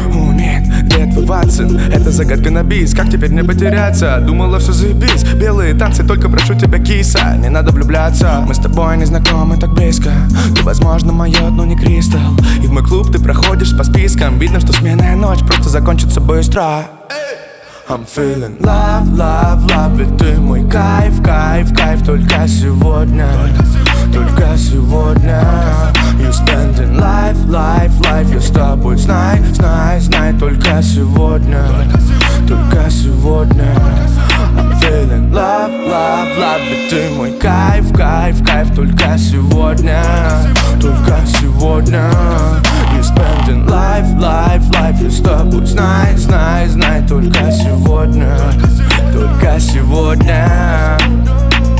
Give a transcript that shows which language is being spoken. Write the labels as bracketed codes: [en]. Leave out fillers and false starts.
[ru] О, нет, где твой Ватсон? Это загадка на бис. Как теперь мне потеряться? Думала, все заебись. Белые танцы, только прошу тебя, киса. Не надо влюбляться. Мы с тобой не знакомы так близко. Ты, возможно, мое, но не кристалл. И в мой клуб ты проходишь по спискам. Видно, что сменная ночь просто закончится быстро. [en] I'm feeling love, love, love. [ru] Ведь ты мой кайф, кайф, кайф. Только сегодня, только сегодня. [en] You spending life, life, life. [ru] Я с тобой, знай, знай, знай. Только сегодня, только сегодня. [en] I'm feeling love, love, love. [ru] Ведь ты мой кайф, кайф, кайф. Только сегодня, только сегодня. [en] You spending life, life, life. [ru] Я с тобой, знай, знай, знай. Только сегодня, только сегодня.